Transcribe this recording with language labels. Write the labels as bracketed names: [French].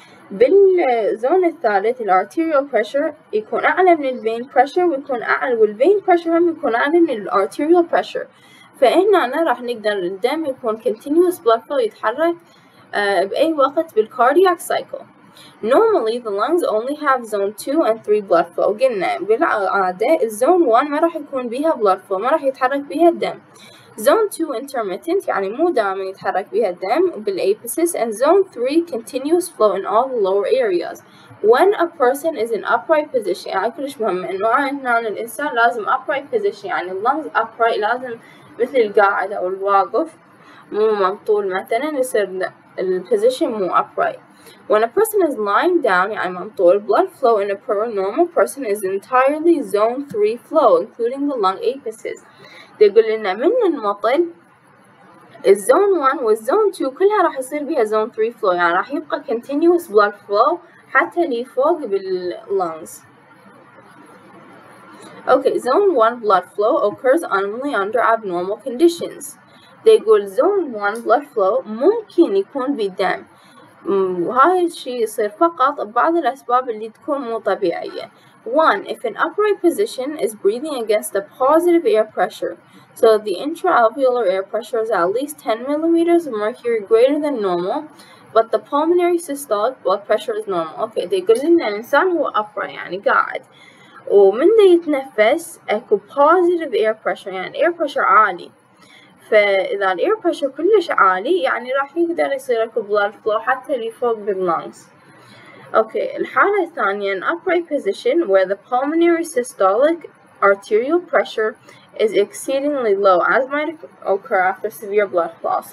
[Arabic] بالزون الثالث الـ arterial pressure يكون أعلى من الـ vein pressure ويكون أعلى، والـ vein pressure هم يكون أعلى من الـ arterial pressure، فهنا أنا راح نقدر الدم يكون continuous blood flow يتحرك بأي وقت بالـ cardiac cycle. [English] Normally the lungs only have zone 2 and 3 blood flow. [Arabic] قلنا بالعادة الـ zone 1 ما راح يكون بيها blood flow، ما راح يتحرك بيها الدم. [English] Zone 2 intermittent [Arabic] يعني مو دائما يتحرك بها الدم [English] بالapices and zone 3 continuous flow in all the lower areas. When a person is in upright position [Arabic] يعني كلش مهم انه عندنا الانسان لازم upright position يعني lungs upright لازم مثل القاعد او الواقف مو منطول مثلا يصير position مو upright. [English] When a person is lying down [Arabic] يعني منطول [English] blood flow in a paranormal person is entirely zone 3 flow including the lung apices. [Arabic] يقول لنا من المطل الزون 1 والزون 2 كلها راح يصير بها زون 3 flow يعني راح يبقى continuous blood flow حتى لي فوق باللونز. [English] Okay, zone 1 blood flow occurs only under abnormal conditions. They [Arabic] يقول zone 1 blood flow ممكن يكون بالدم، وهاي الشيء يصير فقط ببعض الأسباب اللي تكون مو طبيعية. [English] 1. If an upright position is breathing against a positive air pressure, so the intraalveolar air pressure is at least 10 millimeters of mercury greater than normal, but the pulmonary systolic blood pressure is normal. Okay, they go in and [Arabic] الإنسان هو upright يعني قاعد، ومن ده يتنفس اكو positive air pressure يعني air pressure عالي، فإذا air pressure كلش عالي يعني راح يقدر يصير اكو blood flow حتى لفوق باللونز. [English] Okay, [Arabic] الحالة الثانية [English] an upright position where the pulmonary systolic arterial pressure is exceedingly low as might occur after severe blood loss.